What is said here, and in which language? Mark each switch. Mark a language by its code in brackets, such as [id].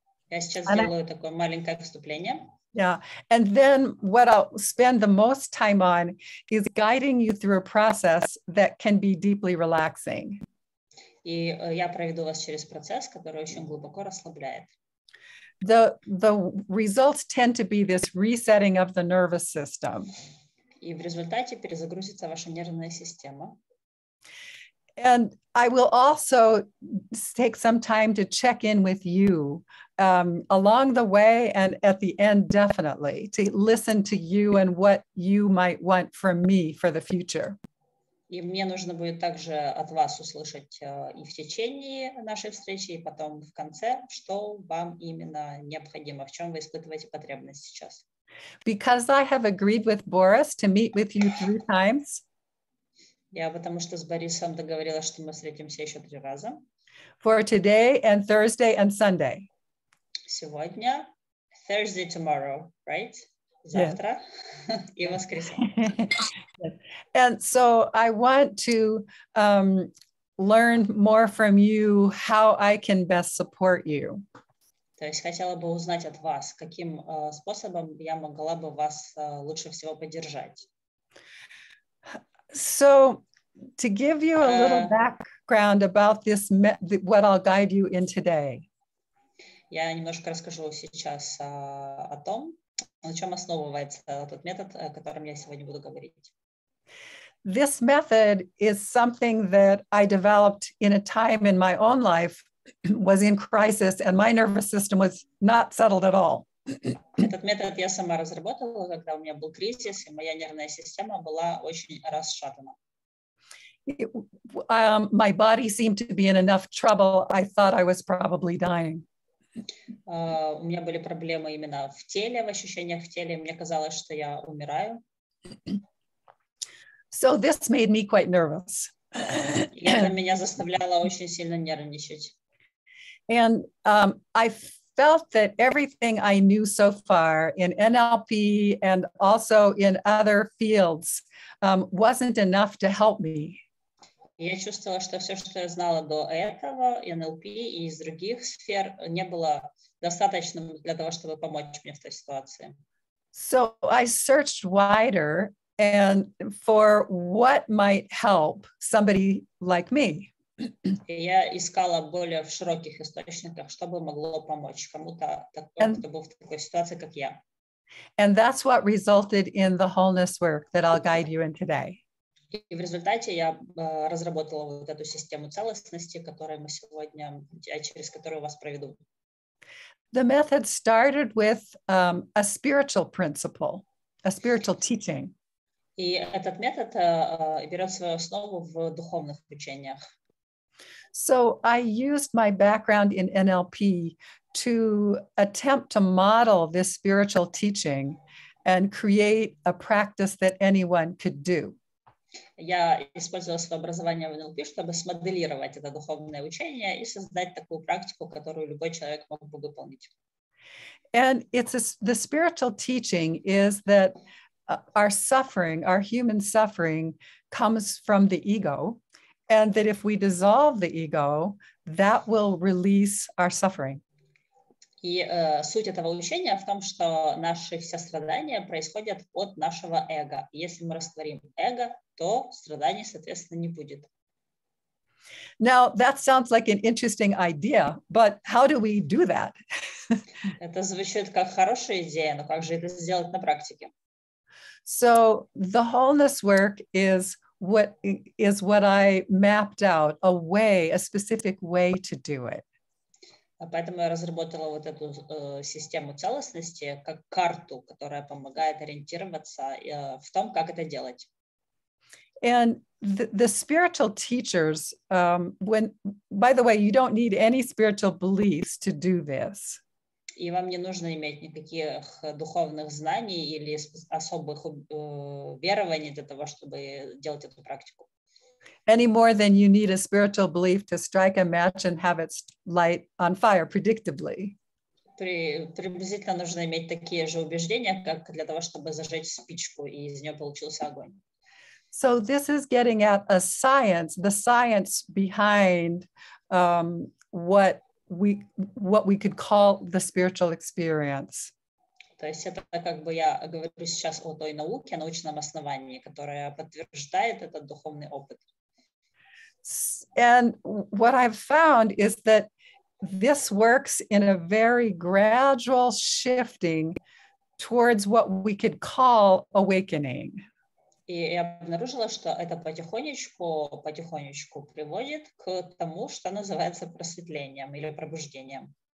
[ru] Я сейчас сделаю такое маленькое вступление. [en] Yeah. And then what I'll spend the most time on is guiding you through a process that can be deeply relaxing. [ru] И я проведу вас через процесс, который очень глубоко расслабляет. [en] The results tend to be this resetting of the nervous system. [ru] И в результате перезагрузится ваша нервная система. [en] And I will also take some time to check in with you along the way and at the end, definitely, to listen to you and what you might want from me for the future. [ru] И мне нужно будет также от вас услышать и в течение нашей встречи, и потом в конце, что вам именно необходимо, в чем вы испытываете потребность сейчас. [en] Because I have agreed with Boris to meet with you 3 times. [ru] Я потому что с Борисом договорилась, что мы встретимся еще 3 раза. [en] For today and Thursday and Sunday. [ru] Сегодня, [en] Thursday, tomorrow, right? [ru] Завтра [en] yes. [ru] И воскресенье. [en] And so I want to learn more from you how I can best support you. [ru] То есть хотела бы узнать от вас, каким способом я могла бы вас лучше всего поддержать. [en] So, to give you a little background about this, what I'll guide you in today. [ru] Я немножко расскажу сейчас о том, на чем основывается тот метод, о котором я сегодня буду говорить. [en] This method is something that I developed in a time in my own life, was in crisis, and my nervous system was not settled at all. [ru] Этот метод я сама разработала, когда у меня был кризис, и моя нервная система была очень расшатана. [en] My body seemed to be in enough trouble. I thought I was probably dying. [ru] У меня были проблемы именно в теле, в ощущениях в теле. Мне казалось, что я умираю. [en] So this made me quite nervous. [ru] И это меня заставляло очень сильно нервничать. [en] And I felt that everything I knew so far in NLP and also in other fields wasn't enough to help me. [ru] Я чувствовала, что все, что я знала до этого, NLP и из других сфер, не было достаточным для того, чтобы помочь мне в той ситуации. [en] So I searched wider and for what might help somebody like me. [ru] Я искала более в широких источниках, чтобы могло помочь кому-то, кто был в такой ситуации, как я. [en] And that's what resulted in the wholeness work that I'll guide you in today. [ru] И в результате я разработала вот эту систему целостности, которую мы сегодня, через которую вас проведу. [en] The method started with a spiritual principle, a spiritual teaching. [ru] И этот метод берет свою основу в духовных учениях. [en] So I used my background in NLP to attempt to model this spiritual teaching and create a practice that anyone could do. [ru] Я использовала свое образование в NLP, чтобы смоделировать это духовное учение и создать такую практику, которую любой человек мог бы выполнить. [en] And it's the spiritual teaching is that our suffering, our human suffering, comes from the ego. And that if we dissolve the ego, that will release our suffering. [ru] И суть этого учения в том, что наши все страдания происходят от нашего эго. Если мы растворим эго, то страданий, соответственно, не будет. [en] Now, that sounds like an interesting idea, but how do we do that? [ru] Это звучит как хорошая идея, но как же это сделать на практике? [en] So, the wholeness work is... What is what I mapped out, a way, a specific way to do it. [ru] Поэтому я разработала вот эту систему целостности как карту, которая помогает ориентироваться в том, как это делать. [en] And the spiritual teachers, when, by the way, you don't need any spiritual beliefs to do this. [ru] И вам не нужно иметь никаких духовных знаний или особых верований для того, чтобы делать эту практику. [en] Any more than you need a spiritual belief to strike a match and have its light on fire predictably. [ru] Приблизительно нужно иметь такие же убеждения, как для того, чтобы зажечь спичку, и из нее получился огонь. [en] So this is getting at a science, the science behind what we could call the spiritual experience. [ru] То есть это как бы я говорю сейчас о той науке, о научном основании, которая подтверждает этот духовный опыт. [en] And what I've found is that this works in a very gradual shifting towards what we could call awakening. [ru] И я обнаружила, что это потихонечку приводит к тому, что называется просветлением или пробуждением.